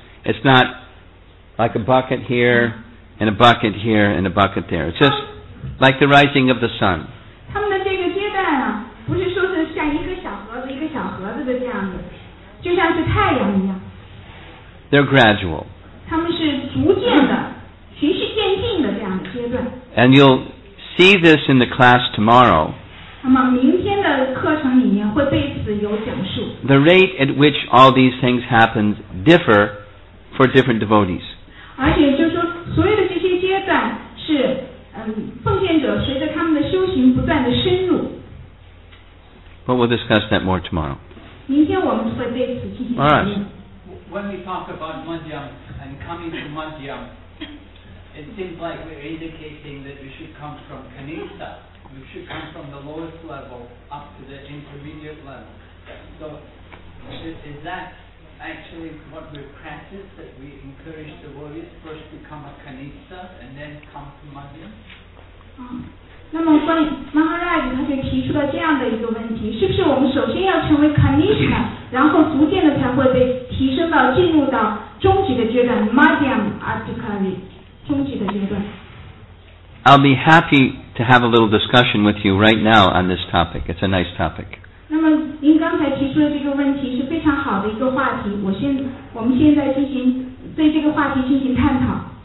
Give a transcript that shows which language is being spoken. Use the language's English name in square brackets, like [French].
[English] It's not like a bucket here and a bucket here and a bucket there. It's just like the rising of the sun. [Chinese] 他们的这个阶段啊，不是说是像一个小盒子的这样子。就像是太阳一样 [English] They're gradual. [Chinese] 他们是逐渐的循序渐进的这样的阶段 [English] And you'll see this in the class tomorrow. [Chinese] 那么明天的课程里面会对此有讲述 [English] The rate at which all these things happen differ for different devotees. [Chinese] 而且就是说所有的这些阶段是奉献者随着他们的修行不断的深入 [English] But we'll discuss that more tomorrow. All right. When we talk about Mandyam and coming to Mandyam, it seems like we're indicating that you should come from Kanista. You should come from the lowest level up to the intermediate level. So is that actually what we practice, that we encourage the warriors first become a Kanista and then come to Mandyam? [Chinese] 那么关于 Maharaj 他就提出了这样的一个问题，是不是我们首先要成为 Kanishka， 然后逐渐的才会被提升到进入到终极的阶段 Madhyam Adhikari 终极的阶段。 [English] I'll be happy to have a little discussion with you right now on this topic. It's a nice topic. [Chinese] 那么您刚才提出的这个问题是非常好的一个话题，我们现在进行对这个话题进行探讨。